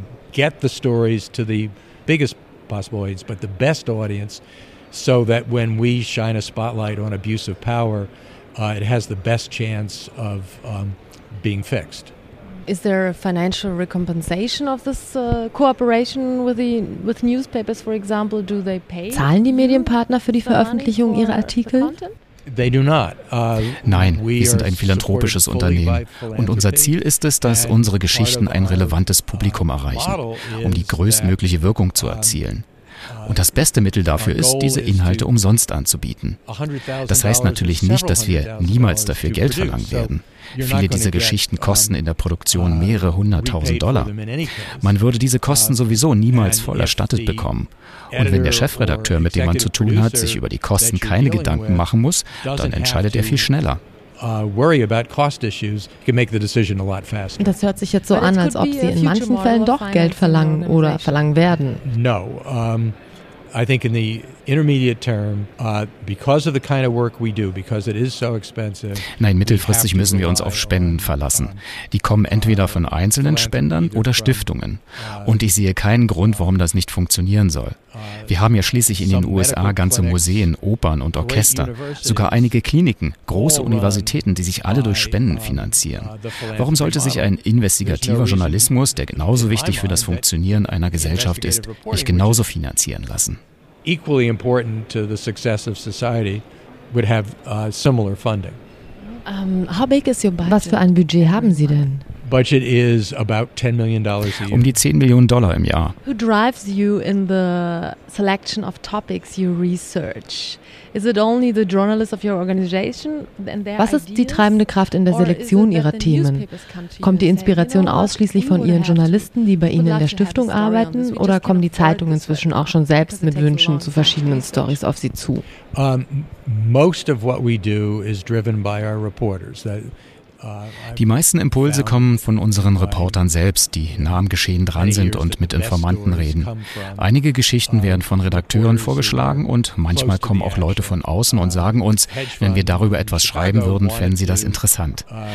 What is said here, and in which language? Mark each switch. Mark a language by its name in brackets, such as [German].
[English] Get the stories to the biggest possible audience, but the best audience, so that when we shine a spotlight on abuse of power, it has the best chance of being fixed. Is there a financial recompensation of this cooperation with newspapers, for example? Do they pay? [German] Zahlen die Medienpartner für die Veröffentlichung ihrer Artikel? [English] They do not. [German] Nein, wir sind ein philanthropisches Unternehmen und unser Ziel ist es, dass unsere Geschichten ein relevantes Publikum erreichen, um die größtmögliche Wirkung zu erzielen. Und das beste Mittel dafür ist, diese Inhalte umsonst anzubieten. Das heißt natürlich nicht, dass wir niemals dafür Geld verlangen werden. Viele dieser Geschichten kosten in der Produktion mehrere hunderttausend Dollar. Man würde diese Kosten sowieso niemals voll erstattet bekommen. Und wenn der Chefredakteur, mit dem man zu tun hat, sich über die Kosten keine Gedanken machen muss, dann entscheidet er viel schneller. Das hört sich jetzt so an, als ob Sie in manchen Fällen doch Geld verlangen oder verlangen werden. [English] No, I think in the intermediate term, because of the kind of work we do, because it is so expensive. [German] Nein, mittelfristig müssen wir uns auf Spenden verlassen. Die kommen entweder von einzelnen Spendern oder Stiftungen. Und ich sehe keinen Grund, warum das nicht funktionieren soll. Wir haben ja schließlich in den USA ganze Museen, Opern und Orchester, sogar einige Kliniken, große Universitäten, die sich alle durch Spenden finanzieren. Warum sollte sich ein investigativer Journalismus, der genauso wichtig für das Funktionieren einer Gesellschaft ist, nicht genauso finanzieren lassen? [English] Equally important to the success of society would have similar funding. How big is your budget? [German] Was für ein Budget haben Sie denn? [English] Budget is about $10 million a year. [German] Um die 10 Millionen Dollar im Jahr. [English] Who drives you in the selection of topics you research? Is it only the journalists of your organization and their [German] Was ist die treibende Kraft in der Selektion Ihrer Themen? Kommt die Inspiration ausschließlich von Ihren Journalisten, die bei Ihnen in der Stiftung arbeiten, oder kommen die Zeitungen inzwischen auch schon selbst mit Wünschen zu verschiedenen Stories auf Sie zu? [English] Most of what we do is driven by our reporters. [German] Die meisten Impulse kommen von unseren Reportern selbst, die nah am Geschehen dran sind und mit Informanten reden. Einige Geschichten werden von Redakteuren vorgeschlagen und manchmal kommen auch Leute von außen und sagen uns, wenn wir darüber etwas schreiben würden, fänden sie das interessant.